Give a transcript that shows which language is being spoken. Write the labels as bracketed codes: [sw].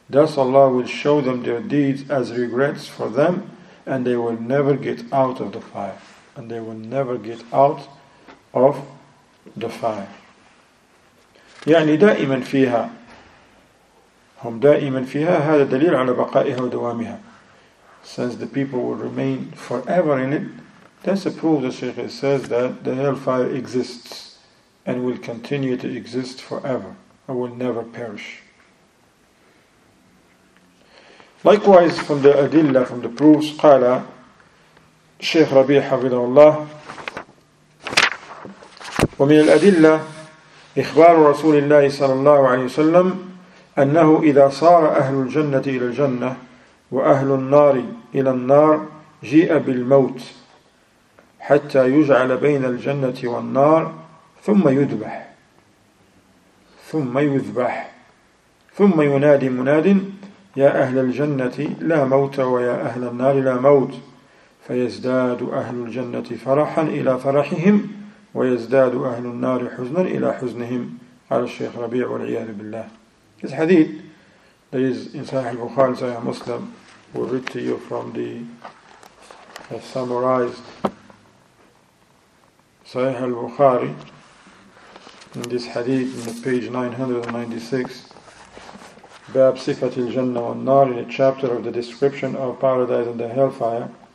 [en] Thus Allah will show them their deeds as regrets for them, and they will never get out of the fire. And they will never get out of the fire. [ar] يعني دائما فيها. هم دائما فيها. هذا دليل على بقائها ودوامها. [en] Since the people will remain forever in it, that's a proof, the Shaykh says, that the hellfire exists and will continue to exist forever and will never perish. Likewise, from the adilla, from the proofs, qala Shaykh Rabi' Hafidhahu Allah, [ar] ومن الأدلة إخبار رسول الله صلى الله عليه وسلم أنه إذا صار أهل الجنة إلى الجنة وأهل النار إلى النار جاء بالموت حتى يجعل بين الجنة والنار ثم يذبح ثم يذبح ثم ينادي مناد يا أهل الجنة لا موت ويا أهل النار لا موت فيزداد أهل الجنة فرحا إلى فرحهم ويزداد أهل النار حزنا إلى حزنهم على الشيخ ربيع والعياذ بالله. [en] This hadith that is in Sahih al-Bukhari, Sahih Muslim, will read to you from the summarized Sahih al-Bukhari in this hadith in the page 996, Bab Sifat al-Jannah wa al-Nar, in a chapter of the description of paradise and the hellfire.